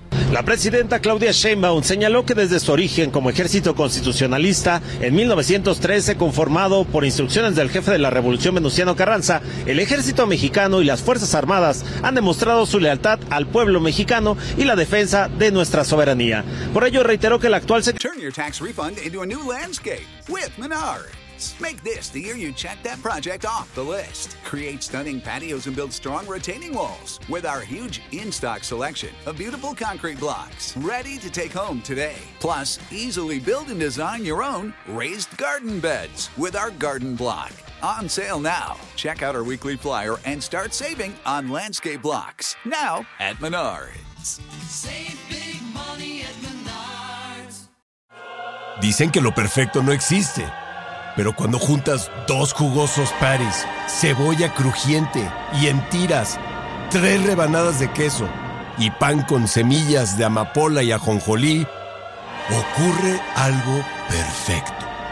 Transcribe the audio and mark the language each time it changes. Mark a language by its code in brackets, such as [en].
[es] La presidenta Claudia Sheinbaum señaló que desde su origen como ejército constitucionalista, en 1913 conformado por instrucciones del jefe de la Revolución Venustiano Carranza, el ejército mexicano y las Fuerzas Armadas han demostrado su lealtad al pueblo mexicano y la defensa de nuestra soberanía. Por ello reiteró que la actual [en] Turn your tax refund into a new landscape with Menards. Make this the year you check that project off the list. Create stunning patios and build strong retaining walls with our huge in-stock selection of beautiful concrete blocks ready to take home today. Plus, easily build and design your own raised garden beds with our garden block. On sale now. Check out our weekly flyer and start saving on landscape blocks now at Menards. Save big money at Menards. [es] Dicen que lo perfecto no existe, pero cuando juntas dos jugosos patties, cebolla crujiente y en tiras tres rebanadas de queso y pan con semillas de amapola y ajonjolí, ocurre algo perfecto.